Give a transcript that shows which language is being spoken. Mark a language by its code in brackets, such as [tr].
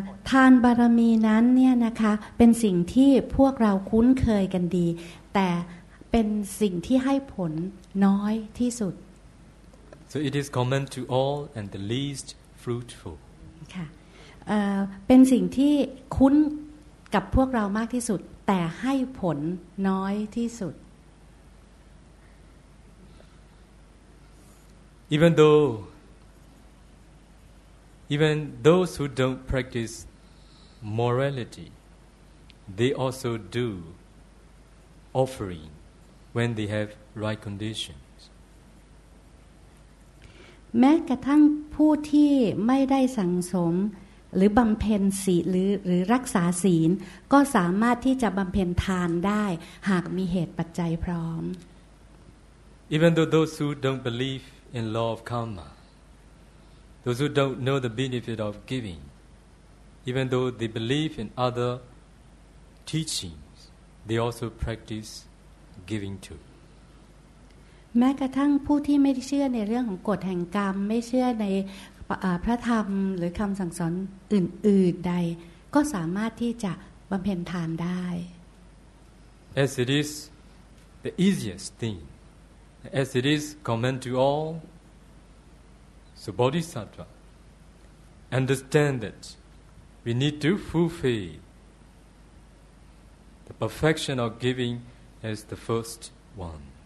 [th] ทานบารมีนั้นเนี่ยนะคะเป็นสิ่งที่พวกเราคุ้นเคยกันดีแต่เป็นสิ่งที่ให้ผลน้อยที่สุด [en] So it is common to all and the least fruitful [th] ค่ะเป็นสิ่งที่คุ้นกับพวกเรามากที่สุดแต่ให้ผลน้อยที่สุด [en] Even those who don't practice morality, they also do offering when they have right conditions. [th] แม้กระทั่งผู้ที่ไม่ได้สั่งสมหรือบำเพ็ญศีลหรือรักษาศีลก็สามารถที่จะบำเพ็ญทานได้หากมีเหตุปัจจัยพร้อม [en] Even though those who don't believe in law of karmaThose who don't know the benefit of giving, even though they believe in other teachings, they also practice giving too. [th] แม้กระทั่งผู้ที่ไม่ได้เชื่อในเรื่องของกฎแห่งกรรมไม่เชื่อในพระธรรมหรือคำสั่งสอนอื่นๆใดก็สามารถที่จะบำเพ็ญทานได้ [en] As it is the easiest thing, as it is common to all,So Bodhisattva understand that we need to fulfill the perfection of giving as the first one.